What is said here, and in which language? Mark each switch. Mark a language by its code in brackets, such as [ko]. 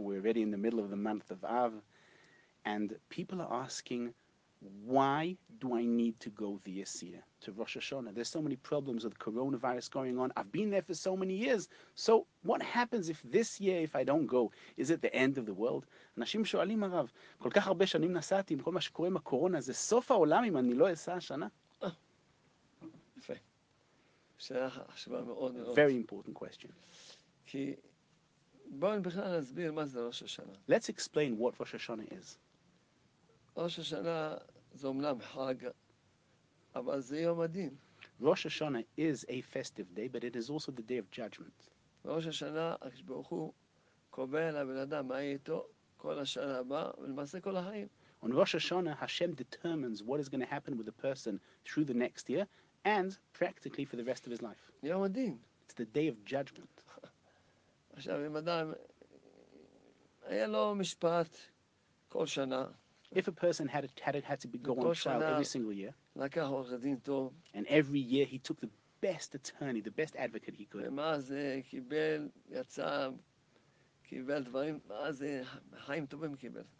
[en] We're already in the middle of the month of Av. And people are asking, why do I need to go this year to Rosh Hashanah? There's so many problems with coronavirus going on. I've been there for so many years. So what happens if this year, if I don't go, is it the end of the world? [he] אנשים שואלים הרב, כל כך הרבה שנים נסעתי עם כל מה שקורה עם הקורונה, זה סוף העולם אם אני לא אסע השנה? יפה. שאלה חשובה מאוד מאוד. [en] Very important question. [he] כי בואו בכלל נסביר מה זה ראש השנה. [en] Let's explain what ראש השנה is. [he] ראש השנה זה אומנם חג, אבל זה יום הדין. [en] ראש השנה is a festive day, but it is also the day of judgment. [he] ראש השנה, כשברוך הוא קובע לבן אדם מה יהיה איתו, כל השנה הבא, ולמעשה כל החיים. [en] On Rosh Hashanah, Hashem determines what is going to happen with the person through the next year, and practically for the rest of his life. [he] יום הדין. [en] It's the day of judgment. [he] עכשיו, אם אדם, היה לו משפט כל שנה, [en] If a person had to go on trial every single year, [he] לקח עורך דין טוב, [en] and every year he took the best attorney, the best advocate he could, [he] ומה זה קיבל, יצא, קיבל דברים, מה זה חיים טובים קיבל.